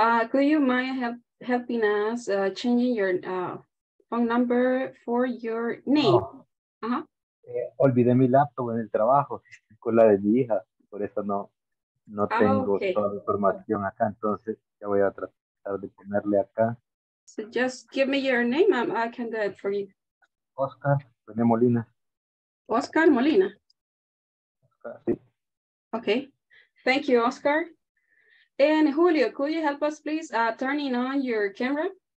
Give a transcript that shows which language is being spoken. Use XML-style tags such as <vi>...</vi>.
<en>Could you mind helping us changing your phone number for your name? No. Uh-huh.</en> <es>Olvidé mi laptop en el trabajo, con la de mi hija, por eso no tengo toda la información acá, entonces ya voy a tratar de ponerle acá.</es> <en>So just give me your name, I can do it for you.</en> <es>Oscar René Molina. Oscar Molina. Oscar, sí.</es> <en>Okay. Thank you, Oscar. And Julio, could you help us, please, turning on your camera?</en>